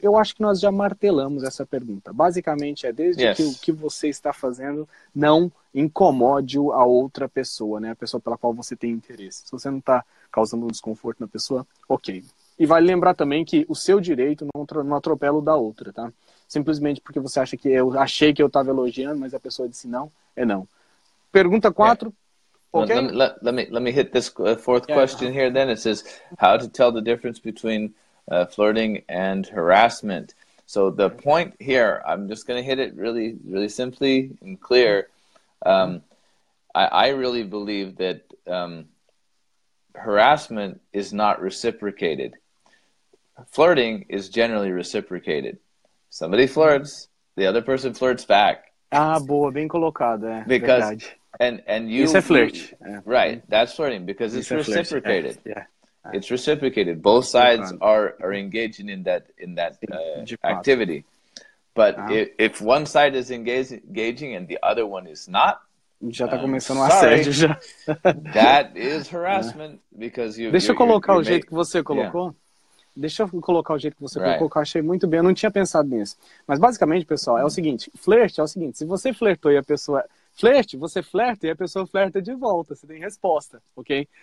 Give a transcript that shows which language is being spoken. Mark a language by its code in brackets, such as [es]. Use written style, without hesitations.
[pt] Eu acho que nós já martelamos essa pergunta. Basicamente é desde que o que você está fazendo não incomode a outra pessoa, né? A pessoa pela qual você tem interesse. Se você não está causando um desconforto na pessoa, ok. E vale lembrar também que o seu direito não atropela o da outra, tá? Simplesmente porque você acha que eu achei que eu estava elogiando, mas a pessoa disse não, é não. Pergunta 4, ok? [en] Let me hit this fourth question here then. It says, how to tell the difference between flirting and harassment. So the point here, I'm just going to hit it really, really simply and clear. I really believe that harassment is not reciprocated. Flirting is generally reciprocated. Somebody flirts, the other person flirts back. [pt] Ah, boa, bem colocado, é. [en] Because, [pt] verdade. [en] And you, [pt] isso é flirt. [en] Right, that's flirting, because it's reciprocated. Yeah. It's reciprocated. Both sides are engaging in that activity. But if one side is engaging and the other one is not, [pt] já tá começando um assédio já. [en] That is harassment, because you... [pt] Deixa eu colocar o jeito que você colocou. Deixa eu colocar o jeito que você colocou, que eu achei muito bem. Eu não tinha pensado nisso. Mas basicamente, pessoal, é o seguinte. Flirt é o seguinte. Se você flertou e a pessoa... Flerte, você flerta e a pessoa flerta de volta, você tem resposta, ok?